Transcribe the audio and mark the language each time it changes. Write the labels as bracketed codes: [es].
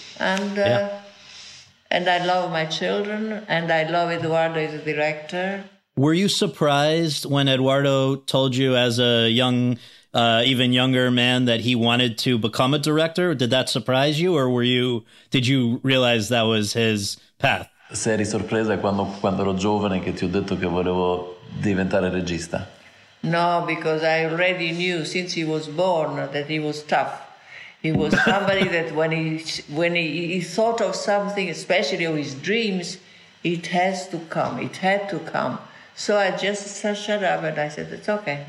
[en] And and I love my children, and I love Eduardo as a director. Were you surprised when Eduardo told you as a young, even younger man that he wanted to become a director? Did that surprise you, or were you, did you realize that was his path? [it] Sei sorpresa quando ero giovane che ti ho detto che volevo diventare regista? [en] No, because I already knew since he was born that he was tough. He was somebody that when he thought of something, especially of his dreams, it has to come. It had to come. So I just shut up and I said, "It's okay.